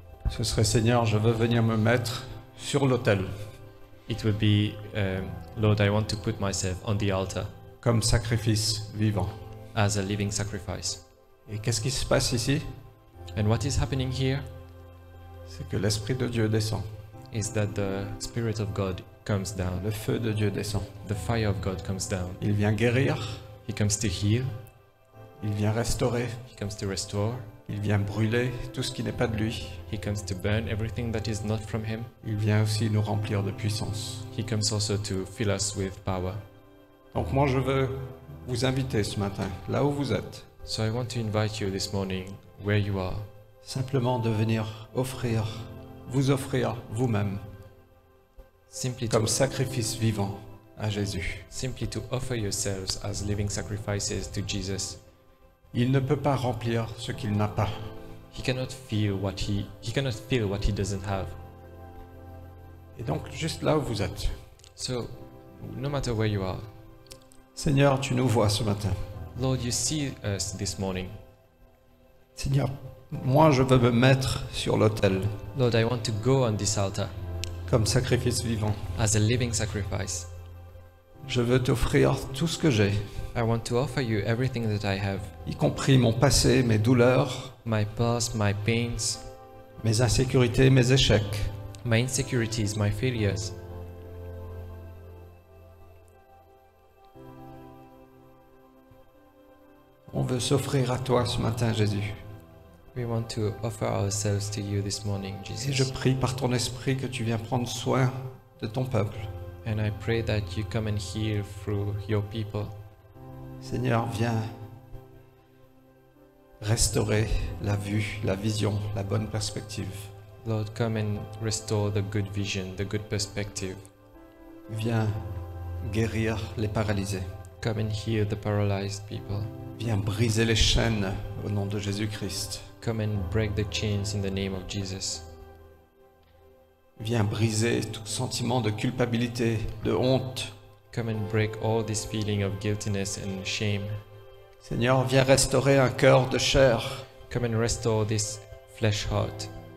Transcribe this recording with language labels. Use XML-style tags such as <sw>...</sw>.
<fr>ce serait, Seigneur, je veux venir me mettre sur l'autel.</fr> <en>It would be, Lord, I want to put myself on the altar.</en> <fr>Comme sacrifice vivant.</fr> <en>As a living sacrifice.</en> <fr>Et qu'est-ce qui se passe ici?</fr> <en>And what is happening here?</en> <fr>C'est que l'Esprit de Dieu descend.</fr> <en>Is that the Spirit of God comes down.</en> <fr>Le feu de Dieu descend.</fr> <en>The fire of God comes down.</en> <fr>Il vient guérir.</fr> <en>He comes to heal.</en> <fr>Il vient restaurer.</fr> <en>He comes to restore.</en> <fr>Il vient brûler tout ce qui n'est pas de lui.</fr> <en>He comes to burn everything that is not from him.</en> <fr>Il vient aussi nous remplir de puissance.</fr> <en>He comes also to fill us with power.</en> <fr>Donc moi je veux vous inviter ce matin, là où vous êtes.</fr> <en>So I want to invite you this morning, where you are.</en> <fr>Simplement de venir offrir, vous offrir vous-même.</fr> <en>Simply</en> <fr>comme sacrifice vivant à Jésus.</fr> <en>Simply to offer yourselves as living sacrifices to Jesus.</en> <fr>Il ne peut pas remplir ce qu'il n'a pas.</fr> <en>He cannot fill what he doesn't have.</en> <fr>Et donc, juste là où vous êtes.</fr> <en>So, no matter where you are.</en> <fr>Seigneur, tu nous vois ce matin.</fr> <en>Lord, you see us this morning.</en> <fr>Seigneur, moi je veux me mettre sur l'autel.</fr> <en>Lord, I want to go on this altar.</en> <fr>Comme sacrifice vivant.</fr> <en>As a living sacrifice.</en> <fr>Je veux t'offrir tout ce que j'ai.</fr> <en>I want to offer you everything that I have.</en> <fr>Y compris mon passé, mes douleurs.</fr> <en>My past, my pains.</en> <fr>Mes insécurités, mes échecs.</fr> <en>My insecurities, my failures.</en> <fr>On veut s'offrir à toi ce matin, Jésus.</fr> <en>We want to offer ourselves to you this morning, Jesus.</en> <fr>Et je prie par ton esprit que tu viens prendre soin de ton peuple.</fr> <en>And I pray that you come and heal through your people.</en> <fr>Seigneur, viens restaurer la vue, la vision, la bonne perspective.</fr> <en>Lord, come and restore the good vision, the good perspective.</en> <fr>Viens guérir les paralysés.</fr> <en>Come and heal the paralyzed people.</en> <fr>Viens briser les chaînes au nom de Jésus-Christ.</fr> <en>Come and break the chains in the name of Jesus.</en> <fr>Viens briser tout sentiment de culpabilité, de honte.</fr> <en>Come and break all this feeling of guiltiness and shame.</en> <fr>Seigneur, viens restaurer un cœur de chair.</fr> <en>Come and restore this flesh heart.</en>